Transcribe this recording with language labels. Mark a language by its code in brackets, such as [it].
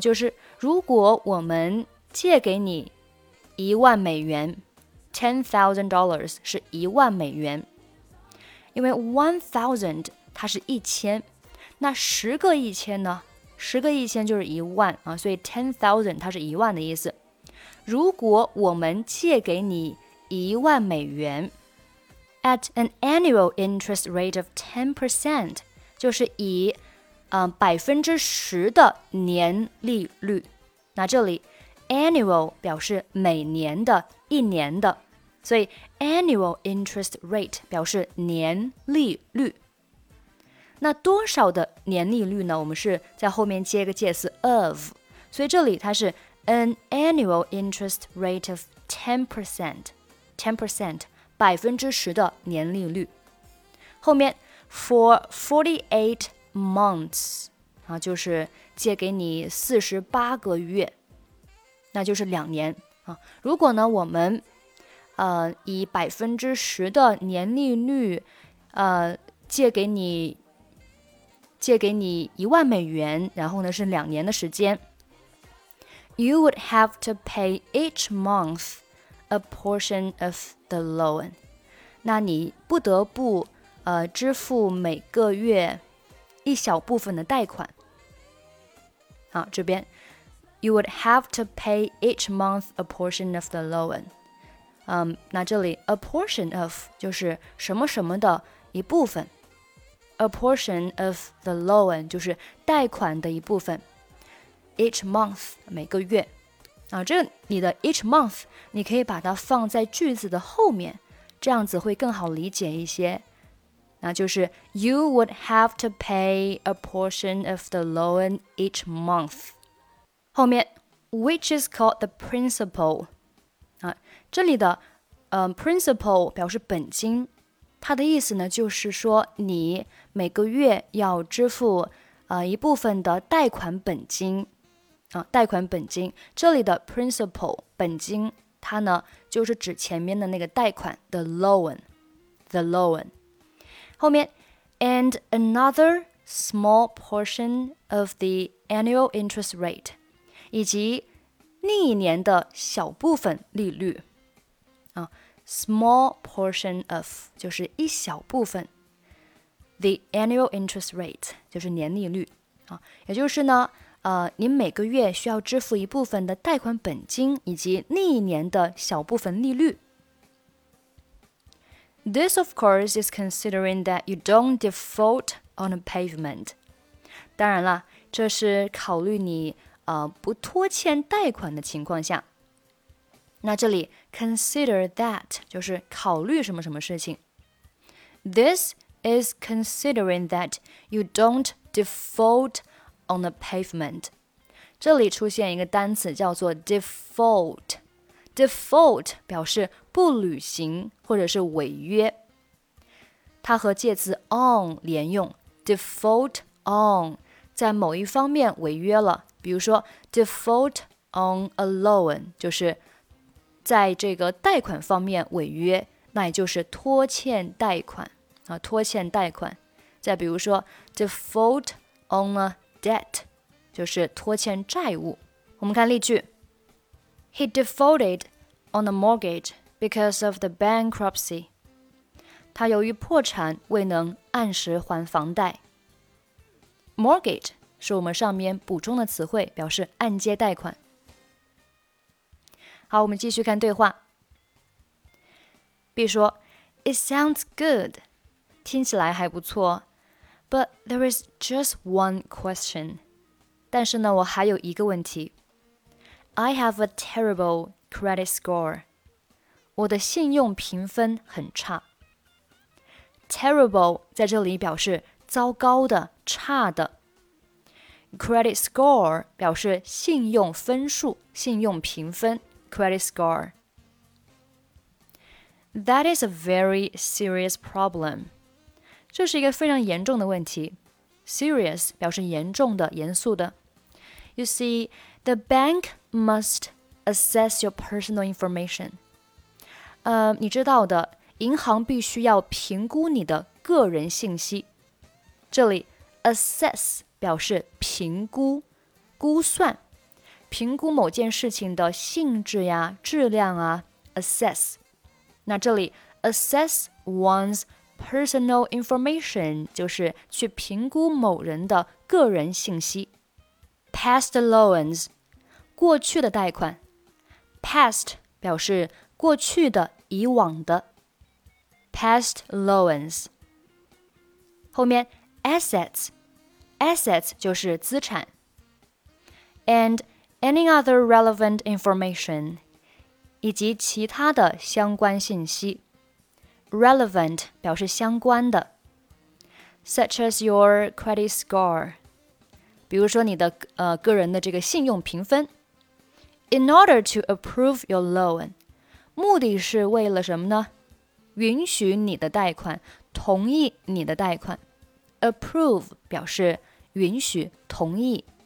[zh] 就是如果我们借给你一万美元，$10,000是一万美元。因为1,000它是一千，那十个一千呢？十个一千就是一万，所以10,000它是一万的意思。如果我们借给你一万美元 [en] at an annual interest rate of 10%, [zh] 就是以10%的年利率。那这里 annual 表示每年的、一年的，所以 annual interest rate 表示年利率。那多少的年利率呢？我们是在后面接个介词 of, 所以这里它是 [en] An annual interest rate of 10%, [zh] 10% 的年利率。后面 [en] for 48 months, [zh] 就是借给你48个月，那就是两年。如果呢我们以10%的年利率借给你一万美元，然后呢是两年的时间。 [en] You would have to pay each month a portion of the loan. [zh] 那你不得不支付每个月一小部分的贷款。好，这边 [en] You would have to pay each month a portion of the loan. [zh] 那这里 a portion of 就是什么什么的一部分。 [en] A portion of the loan [zh] 就是贷款的一部分。 [en] Each month, [zh] 每个月。这你的 each month, 你可以把它放在句子的后面，这样子会更好理解一些。那就是 [en] You would have to pay a portion of the loan each month. [zh] 后面 [en] Which is called the principal. [zh] 这里的principal 表示本金，它的意思呢就是说你每个月要支付一部分的贷款本金。贷款本金，这里的 principal 本金，它呢就是指前面的那个贷款 the loan 后面 [en] and another small portion of the annual interest rate [zh] 以及另一年的小部分利率 [en] small portion of [zh] 就是一小部分 [en] the annual interest rate [zh] 就是年利率也就是呢你每个月需要支付一部分的贷款本金以及另一年的小部分利率。 [en] This, of course, is considering that you don't default on a payment. [zh] 当然了，这是考虑你不拖欠贷款的情况下。那这里 [en] consider that [zh] 就是考虑什么什么事情。 [en] This is considering that you don't defaultOn the pavement. [zh] 这里出现一个单词叫做 default. Default 表示不履行或者是违约。它和介词 on 连用 default on 在某一方面违约了。比如说 [en] default on a loan [zh] 就是在这个贷款方面违约，那也就是拖欠贷款拖欠贷款。再比如说 [en] default on a debt [zh] 就是拖欠债务。我们看例句。 [en] He defaulted on the mortgage because of the bankruptcy. [zh] 他由于破产未能按时还房贷。 [en] Mortgage [zh] 是我们上面补充的词汇，表示按揭贷款。好，我们继续看对话。 B 说 [en] It sounds good, [zh] 听起来还不错。 [en] But there is just one question. [zh] 但是呢，我还有一个问题。 [en] I have a terrible credit score. [zh] 我的信用评分很差。 Terrible 在这里表示糟糕的、差的。 Credit score 表示信用分数、信用评分。 [en] Credit score. That is a very serious problem. [zh] 这是一个非常严重的问题。Serious 表示严重的、严肃的。 [en] You see, the bank must assess your personal information. [zh] 你知道的，银行必须要评估你的个人信息。这里 assess 表示评估、估算，评估某件事情的性质呀、质量啊 ，assess。那这里 [en] assess one's personal information [zh] 就是去评估某人的个人信息。 [en] Past loans [zh] 过去的贷款。Past 表示过去的、以往的。 Past loans 后面 assets assets 就是资产。 [en] And any other relevant information. [zh] 以及其他的相关信息 Relevant 表示相关的 [en] Such as your credit score [zh] 比如说你的、个人的这个信用评分 [en] In order to approve your loan [zh] 目的是为了什么呢允许你的贷款同意你的贷款 Approve 表示允许同意